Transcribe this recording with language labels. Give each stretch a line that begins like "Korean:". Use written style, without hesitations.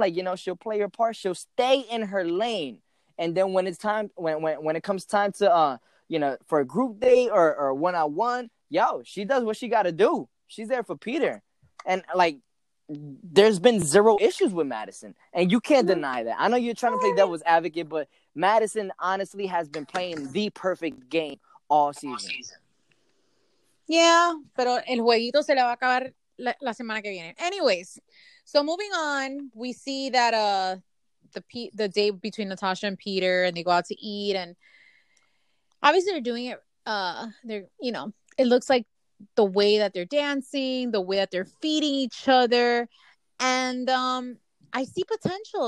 English: Like, you know, she'll play her part. She'll stay in her lane. And then when it's time, when it comes time to, you know, for a group date or one-on-one, yo, she does what she got to do. She's there for Peter. And, like, there's been zero issues with Madison. And you can't deny that. I know you're trying to play devil's advocate, but Madison honestly has been playing the perfect game all season.
Spanish: Yeah, pero el jueguito se le va a acabar la semana que viene.
English: Anyways, so moving on, we see that the day between Natasha and Peter, and they go out to eat, and obviously they're doing it. They're, you know, it looks like the way that they're dancing, the way that they're feeding each other, and I see potential.